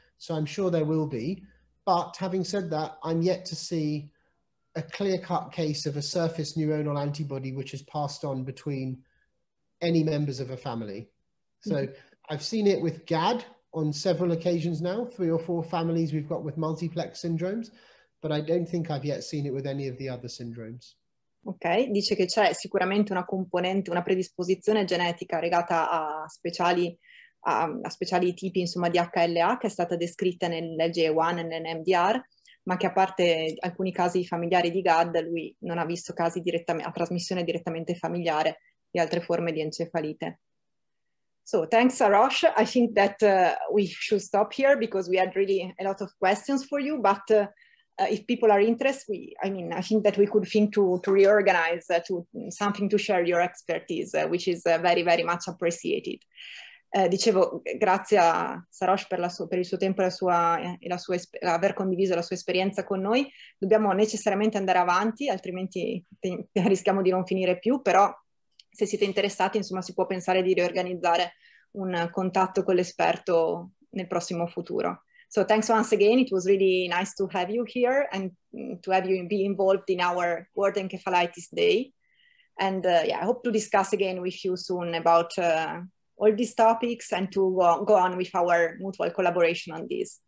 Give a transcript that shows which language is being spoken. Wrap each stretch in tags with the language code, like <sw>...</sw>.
<en>So I'm sure there will be, but having said that, I'm yet to see a clear-cut case of a surface neuronal antibody which is passed on between any members of a family. So I've seen it with GAD on several occasions now, 3 or 4 families we've got with multiplex syndromes, but I don't think I've yet seen it with any of the other syndromes.</en> <it>Ok, dice che c'è sicuramente una componente, una predisposizione genetica legata a speciali tipi, insomma, di HLA che è stata descritta nell'LGA1 e nell'NMDR, ma che a parte alcuni casi familiari di GAD, lui non ha visto casi a trasmissione direttamente familiare di altre forme di encefalite.</it> <en>So, thanks, Sarosh. I think that we should stop here because we had really a lot of questions for you, but if people are interested, I think that we could think to reorganize to something to share your expertise, which is very, very much appreciated.</en> <it>Dicevo, grazie a Sarosh per il suo tempo aver condiviso la sua esperienza con noi. Dobbiamo necessariamente andare avanti, altrimenti rischiamo di non finire più, però se siete interessati, insomma, si può pensare di riorganizzare un contatto con l'esperto nel prossimo futuro.</it> <en>So thanks once again, it was really nice to have you here and to have you be involved in our World Encephalitis Day. And yeah, I hope to discuss again with you soon about all these topics and to go on with our mutual collaboration on this.</en>